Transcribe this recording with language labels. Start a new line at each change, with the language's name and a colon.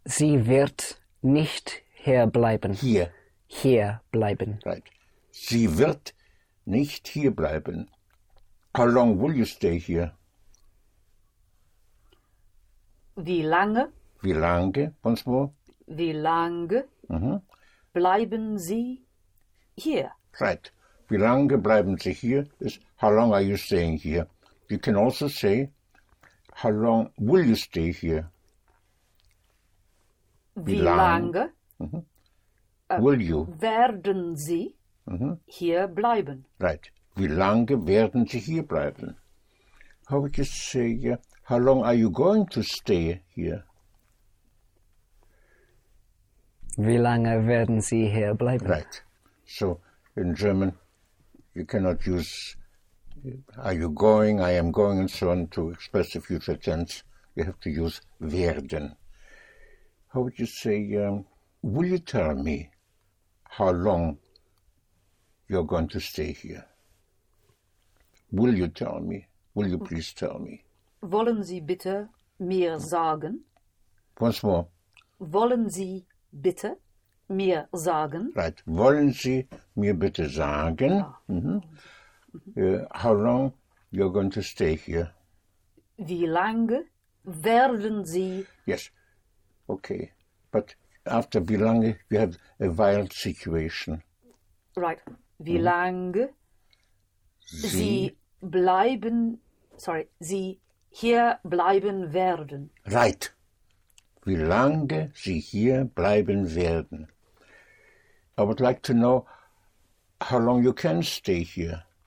German: Sie wird nicht hier bleiben. Hier. Hier bleiben.
English: Right.
German: Sie wird nicht hier bleiben.
English: How long will you stay here?
German: Wie lange? Wie lange,
English: once more.
German: Wie lange bleiben Sie hier?
English: Right.
German: Wie lange bleiben Sie hier
English: is how long are you staying here? You can also say, how long will you stay here?
German: Wie lange?
English: Will you?
German: Werden Sie hier bleiben?
English: Right.
German: Wie lange werden Sie hier bleiben?
English: How would you say, how long are you going to stay here?
German: Wie lange werden Sie hier bleiben?
English: Right. So, in German, you cannot use are you going, I am going, and so on to express the future tense. You have to use werden. How would you say, will you tell me how long you're going to stay here? Will you tell me? Will you please tell me?
German: Wollen Sie bitte mir sagen?
English: Once more.
German: Wollen Sie bitte mir sagen?
English: Right.
German: Wollen Sie mir bitte sagen?
English: How long you're going to stay here?
German: Wie lange werden Sie?
English: Yes. Okay. But after wie lange, you have a wild situation. Right.
German: Wie lange Sie bleiben, sorry, Sie hier bleiben werden.
English: Right.
German: Wie lange Sie hier bleiben werden.
English: I would like to know how long you can stay here.